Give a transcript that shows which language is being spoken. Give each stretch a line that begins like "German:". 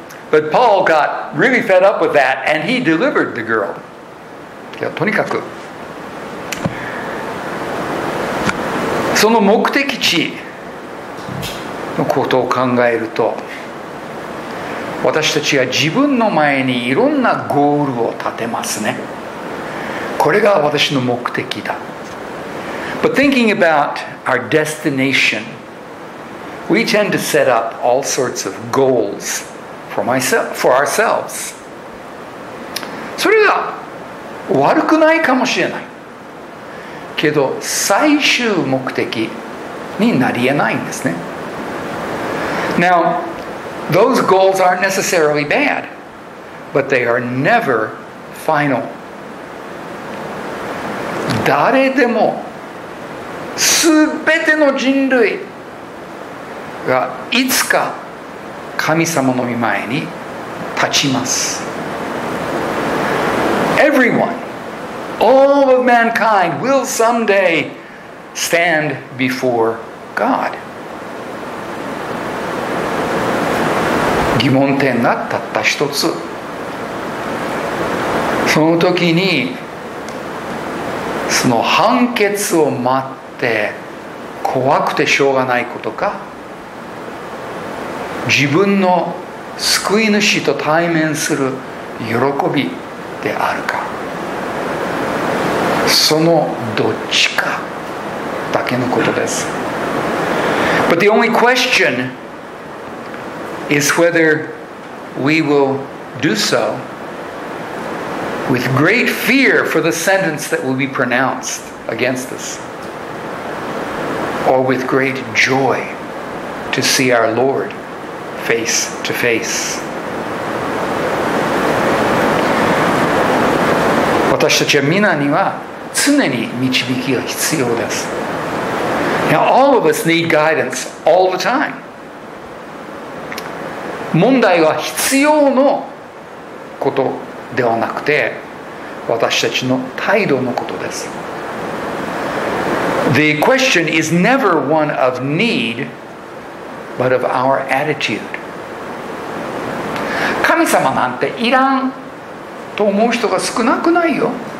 English: But Paul got really fed up with that and he delivered the girl.
Japanese: いや、とにかく。その目的地のことを考えると、私たちは自分の前にいろんなゴールを立てますね。これが私の目的だ。
English: But thinking about our destination,We tend to set up all sorts of goals for ourselves.
Japanese: それが悪くないかもしれない。けど最終目的になり得ないんですね。
English: Now, those goals aren't necessarily bad, but they are never final.
Japanese: 誰でも全ての人類がいつか神様の御前に立ちます。
English: Everyone, all of mankind will someday stand before God.
Japanese: 疑問点がたった一つ。その時にその判決を待って怖くてしょうがないことか、自分の救い主と対面する喜びであるか、そのどっちかだけのことです。
English: But the only question is whether we will do so with great fear for the sentence that will be pronounced against us, or with great joy to see our Lord face to face.
Japanese: 私たちは皆には常に導きが必要です。
English: Now, all of us need guidance all the time.
Japanese: 問題は必要のことではなくて、私たちの態度のことです。
English: The question is never one of need, but of our attitude.
Japanese: 神様なんていらんと思う人が少なくないよ。